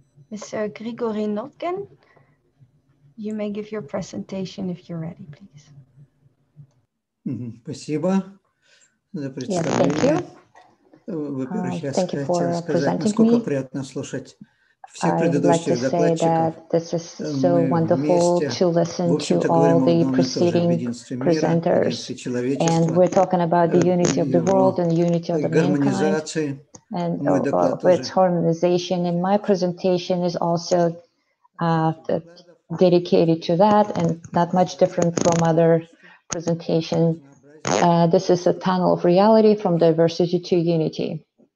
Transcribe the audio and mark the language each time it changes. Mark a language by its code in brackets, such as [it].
[en] Mr. Grigory Notkin, you may give your presentation if you're ready, please. [ru] Спасибо за представление. Во-первых, я хотел сказать, насколько приятно слушать все предыдущие докладчиков. Мы вместе, в общем-то, говорим о единстве мира, человечества, гармонизации. [en] And its harmonization, and my presentation is also dedicated to that, and not much different from other presentations. This is a tunnel of reality from diversity to unity.